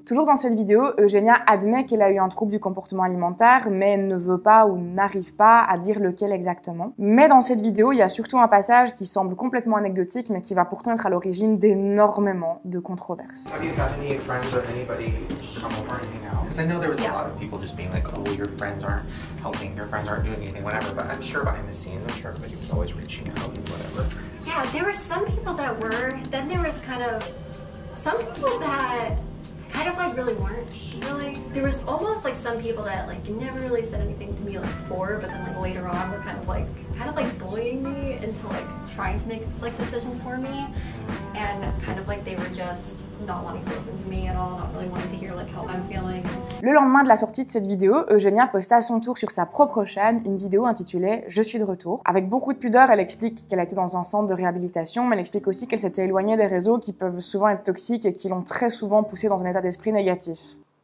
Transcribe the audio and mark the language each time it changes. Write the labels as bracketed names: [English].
[French] Toujours dans cette vidéo, Eugenia admet qu'elle a eu un trouble du comportement alimentaire, mais ne veut pas ou n'arrive pas à dire lequel exactement. Mais dans cette vidéo, il y a surtout un passage qui semble complètement anecdotique, mais qui va pourtant être à l'origine d'énormément de controverses. [English] Have you had any friends or anybody come over anything out? Because I know there was a lot of people just being like, oh, your friends aren't helping, your friends aren't doing anything, whatever. But I'm sure behind the scenes, I'm sure everybody was always reaching out and whatever. Yeah, there were some people that were, then there was kind of some people that kind of like really weren't really. There was almost like some people that like never really said anything to me like before, but then like later on were kind of like bullying me into like trying to make like decisions for me. And kind of like they were just not wanting to listen to me at all, not really wanting to hear like how I'm feeling. [French] Le lendemain de la sortie de cette vidéo, Eugenia posta à son tour sur sa propre chaîne une vidéo intitulée « Je suis de retour ». Avec beaucoup de pudeur, elle explique qu'elle était dans un centre de réhabilitation, mais elle explique aussi qu'elle s'était éloignée des réseaux qui peuvent souvent être toxiques et qui l'ont très souvent poussée dans un état d'esprit négatif.